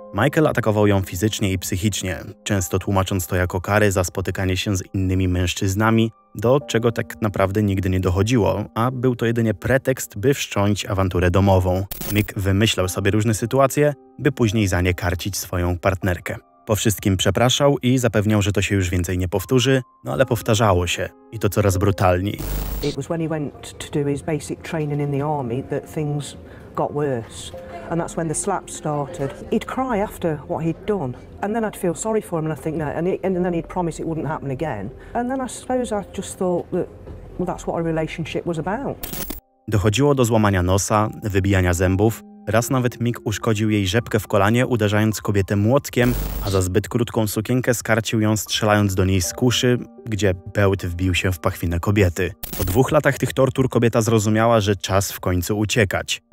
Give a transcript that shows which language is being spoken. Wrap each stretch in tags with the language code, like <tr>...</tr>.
<pl>Michael atakował ją fizycznie i psychicznie, często tłumacząc to jako karę za spotykanie się z innymi mężczyznami, do czego tak naprawdę nigdy nie dochodziło, a był to jedynie pretekst, by wszcząć awanturę domową. Mick wymyślał sobie różne sytuacje, by później za nie karcić swoją partnerkę. Po wszystkim przepraszał i zapewniał, że to się już więcej nie powtórzy, no ale powtarzało się. I to coraz brutalniej.</pl> <en>It was when he went to do his basic training in the army that things got worse. And that's when the slaps started. He'd cry after what he'd done. And then I'd feel sorry for him and I think, no, and then he'd promise it wouldn't happen again. And then I suppose I just thought that, well, that's what a relationship was about.</en> <pl>Dochodziło do złamania nosa, wybijania zębów. Raz nawet Mick uszkodził jej rzepkę w kolanie, uderzając kobietę młotkiem, a za zbyt krótką sukienkę skarcił ją, strzelając do niej z kuszy, gdzie bełt wbił się w pachwinę kobiety. Po 2 latach tych tortur kobieta zrozumiała, że czas w końcu uciekać.</pl>